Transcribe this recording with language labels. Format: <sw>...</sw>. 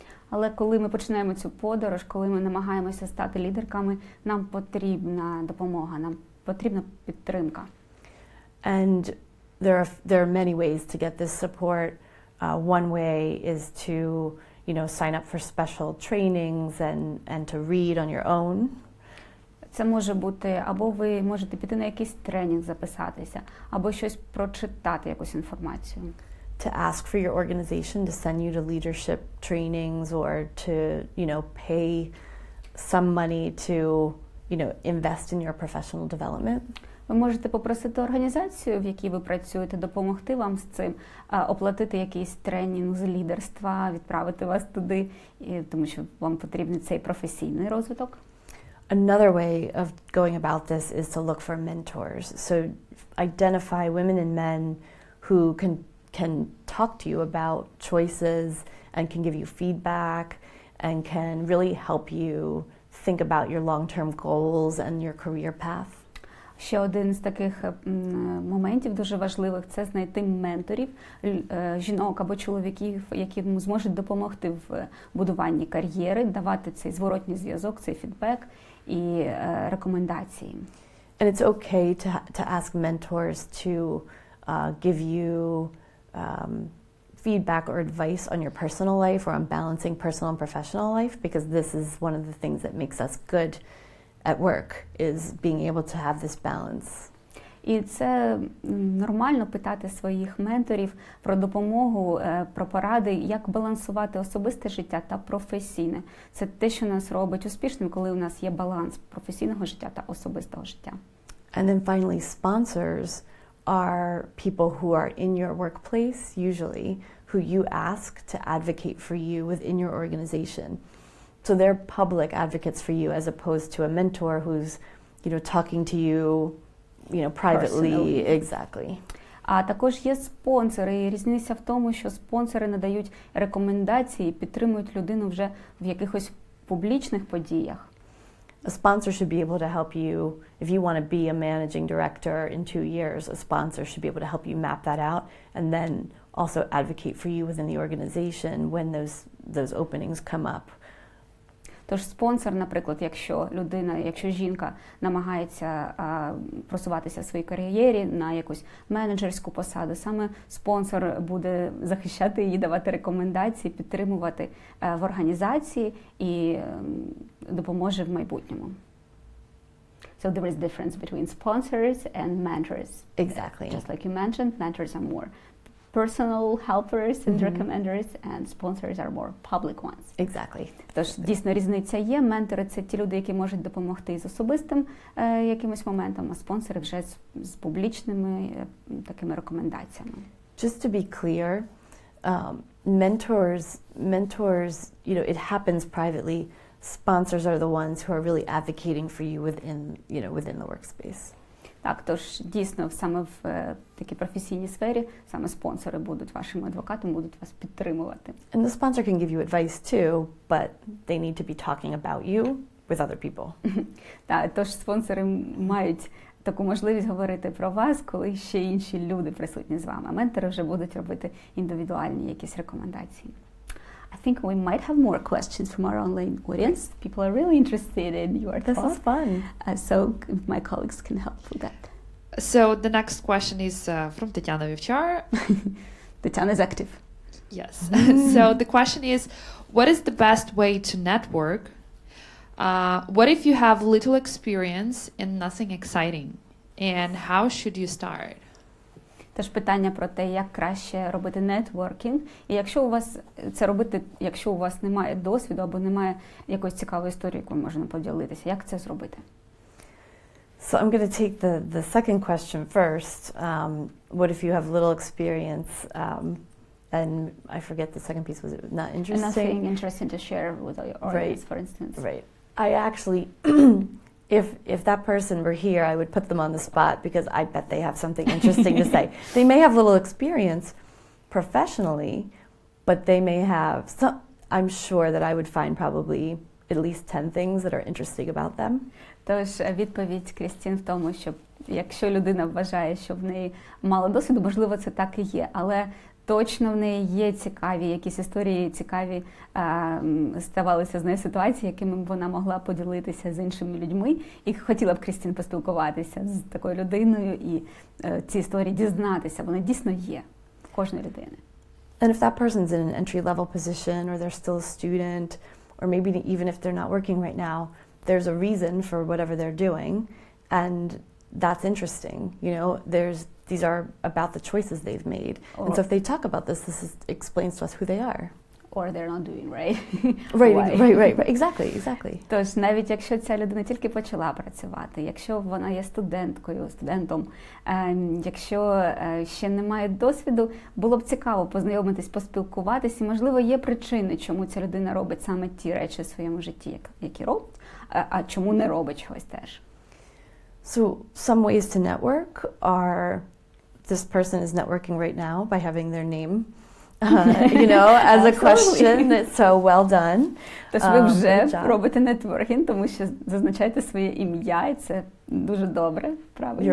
<uk>Але коли ми починаємо цю подорож, коли ми намагаємося стати лідерками, нам потрібна допомога, нам потрібна підтримка.</uk> <en>And there are many ways to get this support. One way is to, sign up for special trainings and to read on your own.</en> <uk>Це може бути, або ви можете піти на якийсь тренінг записатися, або щось прочитати, якусь інформацію.</uk> <en>To ask for your organization to send you to leadership trainings or to, pay some money to, invest in your professional development.</en> <uk>Ви можете попросити організацію, в якій ви працюєте, допомогти вам з цим, оплатити якийсь тренінг з лідерства, відправити вас туди, тому що вам потрібен цей професійний розвиток.</uk> <en>Another way of going about this is to look for mentors. So identify women and men who can talk to you about choices and can give you feedback and can really help you think about your long-term goals and your career path.</en> <uk>Ще один з таких моментів дуже важливих – це знайти менторів, жінок або чоловіків, які зможуть допомогти в будуванні кар'єри, давати цей зворотній зв'язок, цей фідбек і рекомендації.</uk> <en>And it's okay to ask mentors to give you feedback or advice on your personal life or on balancing personal and professional life, because this is one of the things that makes us good at work, is being able to have this balance.</en> <uk>І це нормально питати своїх менторів про допомогу, про поради, як балансувати особисте життя та професійне. Це те, що нас робить успішним, коли у нас є баланс професійного життя та особистого життя.</uk> <en>And then finally, sponsors are people who are in your workplace, usually, who you ask to advocate for you within your organization. So they're public advocates for you as opposed to a mentor who's, you know, talking to you, you know, privately. Personally. Exactly.</en> <uk>А також є спонсори. І різниця в тому, що спонсори надають рекомендації, підтримують людину вже в якихось публічних подіях.</uk> <en>A sponsor should be able to help you if you want to be a managing director in 2 years. A sponsor should be able to help you map that out and then also advocate for you within the organization when those openings come up.</en> <uk>Тож спонсор, наприклад, якщо людина, якщо жінка намагається просуватися в своїй кар'єрі на якусь менеджерську посаду, саме спонсор буде захищати її, давати рекомендації, підтримувати в організації і допоможе в майбутньому.</uk> <en>So there is difference between sponsors and mentors. Exactly. Just like you mentioned, mentors are more personal helpers and recommenders, and sponsors are more public ones. Exactly.</en> <uk>Тож, дійсно, різниця є. Ментори – це ті люди, які можуть допомогти з особистим якимось моментом, а спонсори вже з публічними такими рекомендаціями.</uk> <en>Just to be clear, mentors, you know, it happens privately. Sponsors are the ones who are really advocating for you within, you know, within the workspace.</en> <uk>Так, тож дійсно саме в такій професійній сфері саме спонсори будуть вашим адвокатом, будуть вас підтримувати.</uk> <en>And the sponsor can give you advice too, but they need to be talking about you with other people.</en> <uk>Так, тож спонсори мають таку можливість говорити про вас, коли ще інші люди присутні з вами. Ментори вже будуть робити індивідуальні якісь рекомендації.</uk> <en>I think we might have more questions from our online audience. People are really interested in your thoughts. This is fun. So my colleagues can help with that. So the next question is from Tatiana Vivchar. Tatiana is active. Yes. So the question is, what is the best way to network? What if you have little experience and nothing exciting? And how should you start?</en> <uk>Тож питання про те, як краще робити нетворкінг. І якщо у вас це робити, якщо у вас немає досвіду або немає якоїсь цікавої історії, якою можна поділитися, як це зробити?</uk> <en>So I'm going to take the second question first. What if you have little experience and I forget the second piece, was it not interesting? Nothing interesting to share with your audience, right. For instance. Right. I actually If that person were here, I would put them on the spot because I bet they have something interesting to say. They may have little experience professionally, but they may have some, I'm sure that I would find probably at least 10 things that are interesting about them.</en> <uk>Тож відповідь Кристин в тому, що якщо людина вважає, що в неї мало досвіду, можливо, це так і є, але точно в неї є цікаві якісь історії, цікаві ставалися з нею ситуації, якими вона могла поділитися з іншими людьми. І хотіла б Кристин поспілкуватися з такою людиною і ці історії дізнатися. Вони дійсно є в кожної людини.</uk> <en>And if that person's in an entry-level position, or they're still a student, or maybe even if they're not working right now, there's a reason for whatever they're doing, and that's interesting, you know, these are about the choices they've made. And so if they talk about this explains to us who they are. Or they're not doing right. right. Exactly.</en> <uk>Тож навіть якщо ця людина тільки почала працювати, якщо вона є студентом, якщо ще не має досвіду, було б цікаво познайомитись, поспілкуватись, і можливо є причини, чому ця людина робить саме ті речі в своєму житті, які робить, а чому не робить чогось теж.</uk> <en>So some ways to network are, this person is networking right now by having their name, you know, as a question. So well done.</en> <uk>Тож ви вже робите нетворкінг, тому що зазначаєте своє ім'я, і це дуже добре, правильно?</uk>